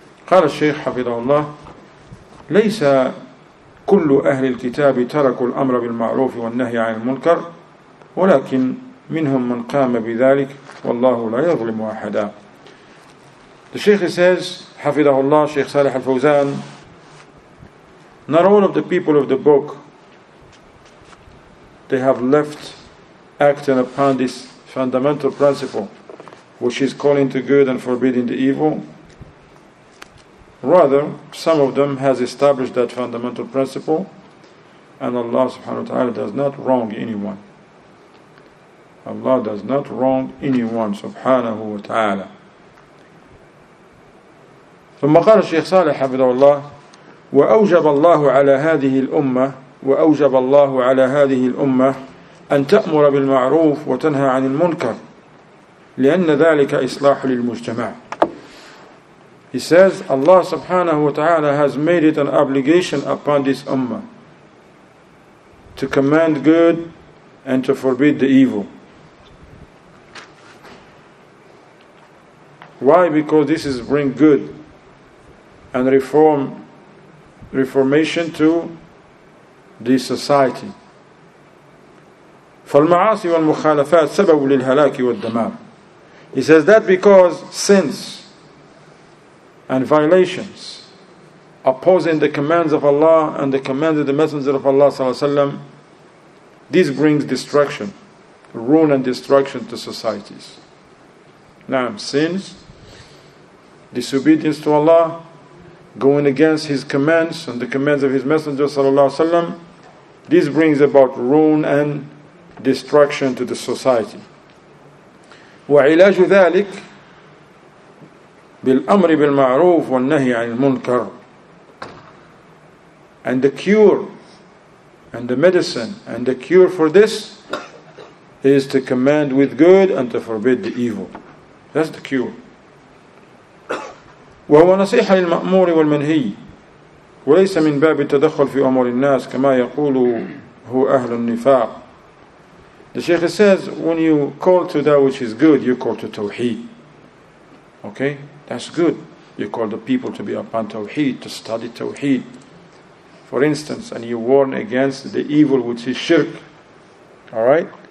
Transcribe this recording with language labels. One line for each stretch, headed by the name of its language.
Arabic: قال الشيخ حفظه الله ليس كل أهل الكتاب تركوا الأمر بالمعروف والنهي عن المنكر ولكن منهم من قام بذلك والله لا يظلم أحدا.
English: The Shaykh says, Hafidahullah, Shaykh Salih al-Fawzan, not all of the people of the book, they have left acting upon this fundamental principle, which is calling to good and forbidding the evil. Rather, some of them has established that fundamental principle, and Allah subhanahu wa ta'ala does not wrong anyone. Allah does not wrong anyone, subhanahu wa ta'ala.
Arabic: ثم قال الشيخ صالح حفظه الله وأوجب الله على هذه الأمة وأوجب الله على هذه الأمة أن تأمر بالمعروف وتنهى عن المنكر لأن ذلك إصلاح للمجتمع.
English: He says Allah subhanahu wa ta'ala has made it an obligation upon this ummah to command good and to forbid the evil. Why? Because this is bring good and reformation to the society.
Arabic: فَالْمَعَاصِي وَالْمُخَالَفَاتِ سَبَبُ لِلْهَلَاكِ وَالْدَّمَارِ.
English: He says that because sins and violations opposing the commands of Allah and the commands of the Messenger of Allah
Arabic: صلى الله عليه وسلم,
English: this brings destruction, ruin and destruction to societies. Now, sins, disobedience to Allah, going against his commands and the commands of his Messenger sallallahu alaihi wasallam, This brings about ruin and destruction to the society.
Arabic: وعلاج ذلك بالأمر بالمعروف والنهي عن المنكر.
English: And the cure and the medicine and the cure for this is to command with good and to forbid the evil. That's the cure.
Arabic: وهو نصيحة للمأمور والمنهي وليس من باب التدخل في أمور الناس كما يقول هو أهل النفاق.
English: The Sheikh says, when you call to that which is good, you call to Tawheed. Okay? That's good. You call the people to be upon Tawheed, to study Tawheed. For instance, and you warn against the evil which is Shirk. Alright?